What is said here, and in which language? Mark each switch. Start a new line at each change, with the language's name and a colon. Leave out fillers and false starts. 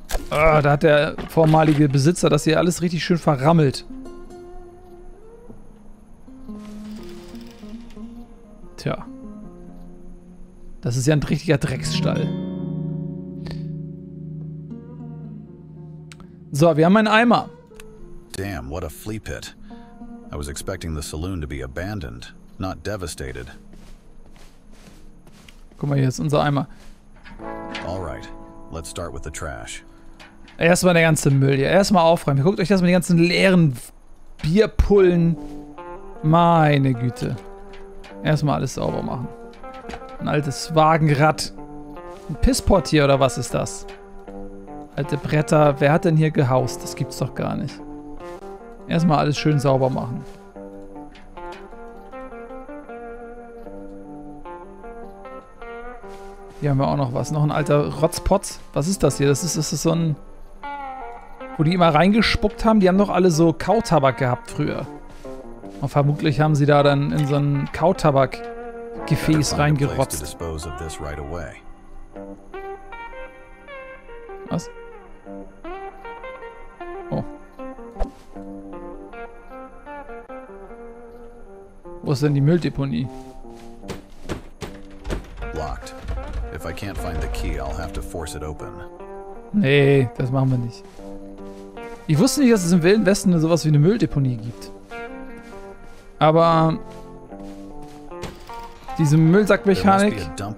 German: Oh, da hat der vormalige Besitzer das hier alles richtig schön verrammelt. Tja. Das ist ja ein richtiger Drecksstall. So, wir haben einen Eimer.
English: Damn, what a flea pit. I was expecting the saloon to be abandoned, not devastated.
German: Guck mal, hier ist unser Eimer.
English: All right, let's start with the trash.
German: Erstmal der ganze Müll hier. Erstmal aufräumen. Guckt euch das mal die ganzen leeren Bierpullen. Meine Güte. Erstmal alles sauber machen. Ein altes Wagenrad. Ein Pisspot hier oder was ist das? Alte Bretter. Wer hat denn hier gehaust? Das gibt's doch gar nicht. Erstmal alles schön sauber machen. Hier haben wir auch noch was. Noch ein alter Rotzpot. Was ist das hier? Das ist so ein... Wo die immer reingespuckt haben, die haben doch alle so Kautabak gehabt früher. Und vermutlich haben sie da dann in so ein Kautabak-Gefäß reingerotzt.
English: Right.
German: Was? Oh. Wo ist denn die Mülldeponie?
English: Locked. If I can't find the key, I'll have to force it open.
German: Nee, das machen wir nicht. Ich wusste nicht, dass es im Wilden Westen sowas wie eine Mülldeponie gibt. Aber diese Müllsackmechanik.